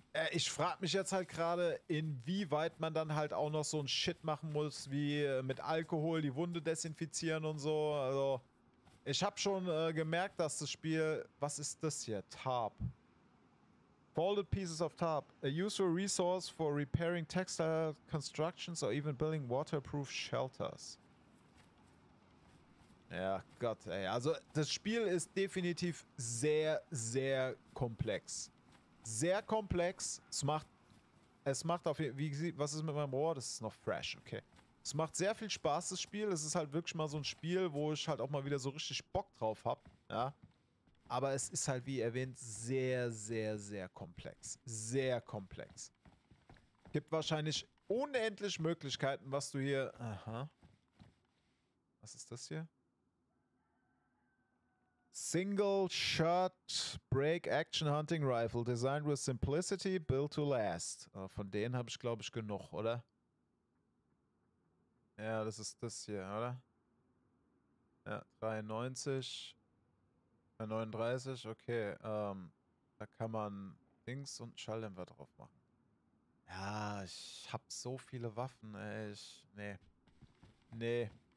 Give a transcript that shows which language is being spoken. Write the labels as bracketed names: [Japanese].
[German] Ich frage mich jetzt halt gerade, inwieweit man dann halt auch noch so ein Shit machen muss, wie mit Alkohol die Wunde desinfizieren und so. Also, ich habe schon gemerkt, dass das Spiel. Was ist das hier? [English] Tarp. Folded pieces of tarp. A useful resource for repairing textile constructions or even building waterproof shelters. [German] Ja, Gott, ey. Also, das Spiel ist definitiv sehr, sehr komplex. Sehr komplex. Es macht auf jeden Fall. Was ist mit meinem Rohr? Das ist noch fresh, okay. Es macht sehr viel Spaß, das Spiel. Es ist halt wirklich mal so ein Spiel, wo ich halt auch mal wieder so richtig Bock drauf habe. Ja. Aber es ist halt, wie erwähnt, sehr, sehr, sehr komplex. Sehr komplex. Gibt wahrscheinlich unendlich Möglichkeiten, was du hier... Aha. Was ist das hier? [English] Single Shot Break Action Hunting Rifle. Designed with simplicity, built to last. [German] Von denen habe ich, glaube ich, genug, oder? Ja, das ist das hier, oder? Ja, 93. 39, okay. Da kann man Dings und Schalldämpfer drauf machen. Ja, ich hab so viele Waffen, ey. Nee.